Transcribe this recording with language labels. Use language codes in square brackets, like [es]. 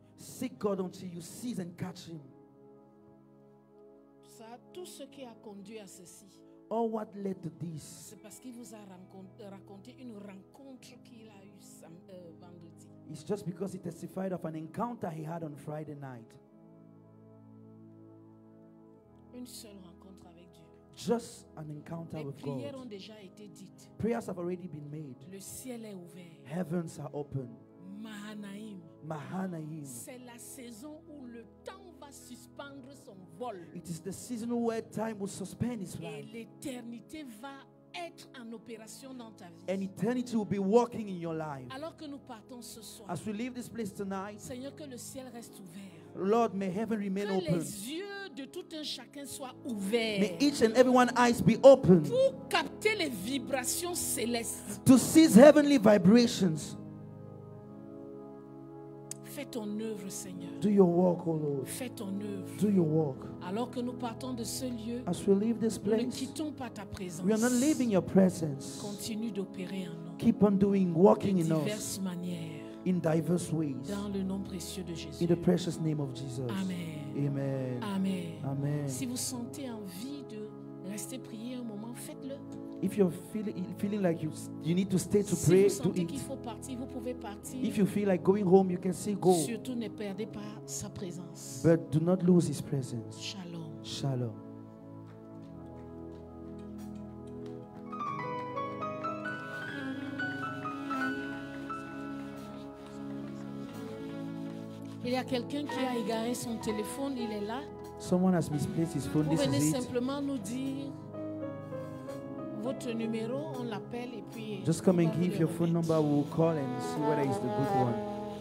[en] Seek God until you seize and catch him. [fr] Ça, tout ce qui a conduit à ceci. [en] All what led to this. [fr] C'est parce qu'il vous a raconté une rencontre qu'il a eue vendredi. [en] It's just because he testified of an encounter he had on Friday night. [fr] Une seule rencontre avec Dieu. [en] Just an encounter [fr] Les [en] with God. [fr] Les prières ont déjà été dites. [en] Prayers have already been made. [fr] Le ciel est ouvert. [en] Heavens are open. [fr] Mahanaim. [en] Mahanaim. [fr] C'est la saison où le temps va suspendre son vol. [en] It is the season where time will suspend its flight. [fr] Et l'éternité va être en opération dans ta vie. [en] And eternity will be working in your life. [fr] Alors que nous partons ce soir. [en] As we leave this place tonight. [fr] Seigneur, que le ciel reste ouvert. [en] Lord, may heaven remain [fr] que [en] open. [fr] Les yeux de tout un chacun soient ouverts. [en] May each and everyone's eyes be open. [fr] Pour capter les vibrations célestes. [en] To seize heavenly vibrations. [fr] Fais ton œuvre, Seigneur. [en] Do your work, O Lord. [fr] Fais ton œuvre. [en] Do your work. [fr] Alors que nous partons de ce lieu, [en] as we leave this place, [fr] nous ne quittons pas ta présence. [en] We are not leaving your presence. [fr] Continue d'opérer en nous. [en] Keep on doing, working in us. [fr] De diverses manières. [en] In diverse ways. [fr] Dans le nom précieux de Jésus. [en] In the precious name of Jesus. [fr] Amen. [en] Amen. [fr] Amen. [en] Amen. [fr] Si vous sentez envie de rester prier un moment, faites-le. [en] If you're feeling like you need to stay to [fr] si [en] pray, [fr] vous sentez [en] do it. [fr] Qu'il faut partir, vous pouvez partir. [en] If you feel like going home, you can say go. [fr] Surtout ne perdez pas sa présence. [en] But do not lose his presence. [fr] Shalom. [en] Shalom. [fr] Il y a quelqu'un qui a égaré son téléphone, il est là. [en] Someone has misplaced his phone. [fr] Vous venez simplement nous dire votre numéro, on l'appelle et puis [en] just come and give your phone number, we'll call and see whether it's the good one.